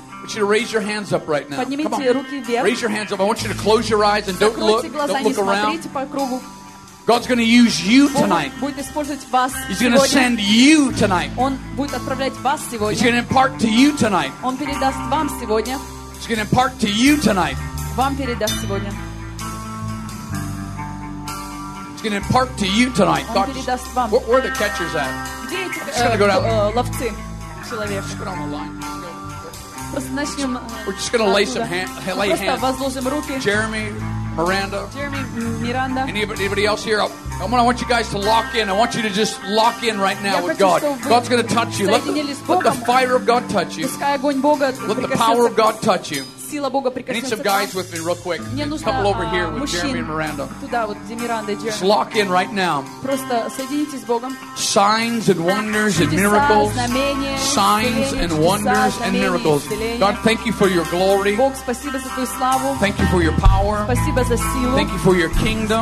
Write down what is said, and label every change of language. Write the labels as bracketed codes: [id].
[en] I want you to raise your hands up right now. [ru] Поднимите руки вверх. [en] Raise your hands up. I want you to close your eyes and don't look. Don't look around. [ru] Закройте глаза, не смотрите по кругу. [en] God's going to use you tonight. [ru] Будет использовать вас. [en] He's going to send you tonight. [ru] Он будет отправлять вас сегодня. [en] He's going to impart to you tonight. [ru] Он передаст вам сегодня. [en] He's going to impart to you tonight. [ru] Вам передаст сегодня. [en] He's going to impart to you tonight. [ru] Он передаст вам. [en] Where are the catchers at? [ru] Где эти ловцы? Человек. Просто начнем. [en] We're just going to lay some hands. [ru] Просто возложим руки. [en] Jeremy. Miranda. Jeremy, Miranda. Anybody else here? I want you guys to lock in. I want you to just lock in right now [ru] я [en] with God. God's going to touch you. Let the fire of God touch you. Let the power of God touch you. I need some guys with me real quick. Couple over here with [ru] мужчин. [en] Jeremy and Miranda. [ru] Туда, вот, Miranda Jeremy. [en] Just lock in right now. [ru] Просто соединитесь с Богом. [en] Signs and wonders [ru] чудеса, [en] and miracles. [ru] Знамения, [en] signs [ru] чудеса, [en] and wonders [ru] знамения, [en] and miracles. [ru] Исцеления. [en] God, thank you for your glory. [ru] Бог, спасибо за твою славу. [en] Thank you for your power. [ru] Спасибо за силу. [en] Thank you for your kingdom.